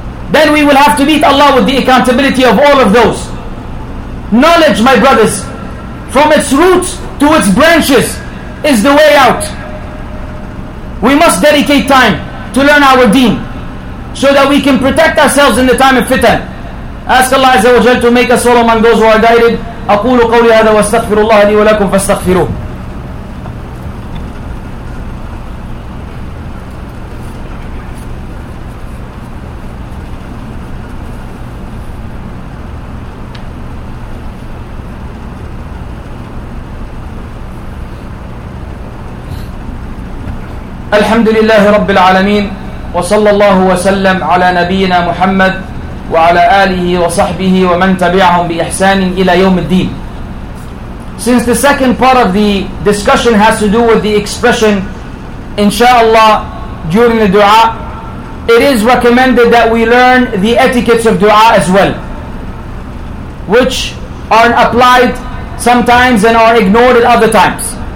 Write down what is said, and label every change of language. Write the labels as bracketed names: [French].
[English] Then we will have to meet Allah with the accountability of all of those. Knowledge, my brothers, from its roots to its branches, is the way out. We must dedicate time to learn our deen, so that we can protect ourselves in the time of fitan. Ask Allah Azza wa Jal to make us all among those who are guided. [Arabic] أقول قولي هذا واستغفر الله لي ولكم فاستغفروه. الحمد لله رب العالمين وصلى الله وسلم على نبينا محمد وعلى آله وصحبه ومن تبعهم بإحسان إلى يوم الدين. [English] Since the second part of the discussion has to do with the expression inshallah during the dua, it is recommended that we learn the etiquettes of dua as well, which are applied sometimes and are ignored at other times.